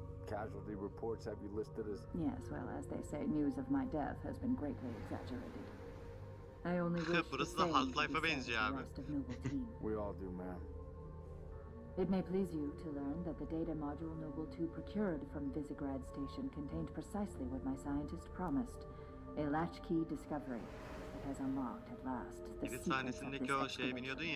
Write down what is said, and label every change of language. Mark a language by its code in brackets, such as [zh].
[en] Casualty reports have you listed as? Yes, well as they say news of my death has been greatly exaggerated. I only wish. [tr] Burası da Half-Life'a benziyor abi. [en] We all do, man. It may please you to learn that the data module Noble 2 procured from Visigrad Station contained precisely what my scientist promised, a latchkey discovery that has unlocked at last the secret of this expedition.